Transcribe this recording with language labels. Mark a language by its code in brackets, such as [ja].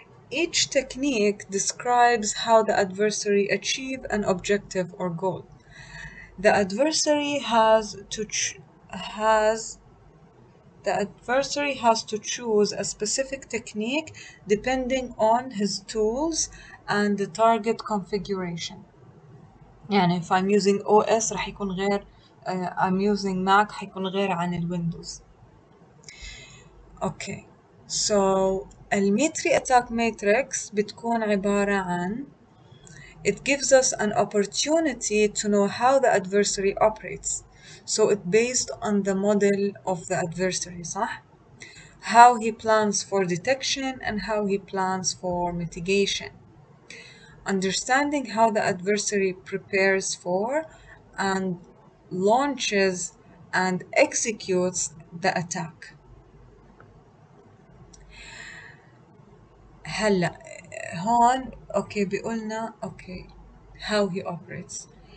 [en] Each technique describes how the adversary achieve an objective or goal. The adversary has to choose a specific technique depending on his tools and the target configuration. [ar] يعني [en] if I'm using OS [ar] رح يكون غير [en] I'm using Mac [ar] حيكون غير عن الويندوز. [en] Okay, so [ar] الميتري اتاك ماتريكس بتكون عبارة عن [en] it gives us an opportunity to know how the adversary operates. So it's based on the model of the adversary, صح؟ How he plans for detection and how he plans for mitigation. Understanding how the adversary prepares for and launches and executes the attack. [ar] هلا هون اوكي بيقولنا اوكي [en] how he operates.